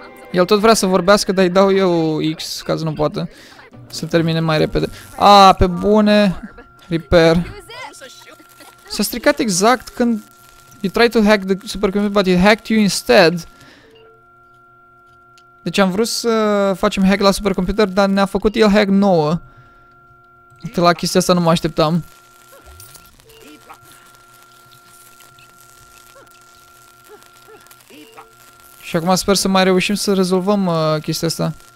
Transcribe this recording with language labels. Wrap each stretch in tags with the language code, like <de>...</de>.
<ro>El tot vrea să vorbească, dar îi dau eu X ca să nu poată să termine mai repede. A, pe bune. Repair. S-a stricat exact când</ro> <en>you tried to hack the supercomputer, but it hacked you instead.</en> <ro>Deci am vrut să facem hack la supercomputer, dar ne-a făcut el hack nouă. Uite, la chestia asta nu mă așteptam. Și acum sper să mai reușim să rezolvăm chestia asta.</ro>